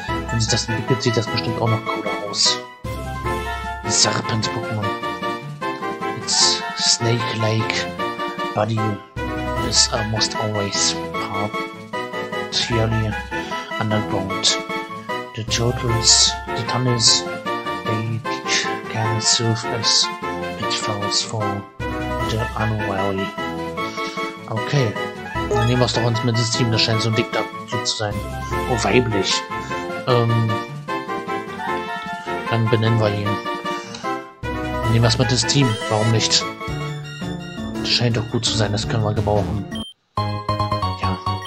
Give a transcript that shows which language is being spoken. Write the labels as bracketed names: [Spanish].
[German] Wenn sich das entwickelt, sieht das bestimmt auch noch cooler aus. [English] Serpent-Pokémon. It's snake-like body is almost always partially underground. The turtles, the tunnels, they can serve as pitfalls for the unwary. [German] Okay, dann nehmen wir es doch ins Mittelsystem, das scheint so ein Diktator zu sein. Oh, weiblich. Dann benennen wir ihn. Nehmen wir es mit ins Team, warum nicht? Das scheint doch gut zu sein, das können wir gebrauchen. Ja.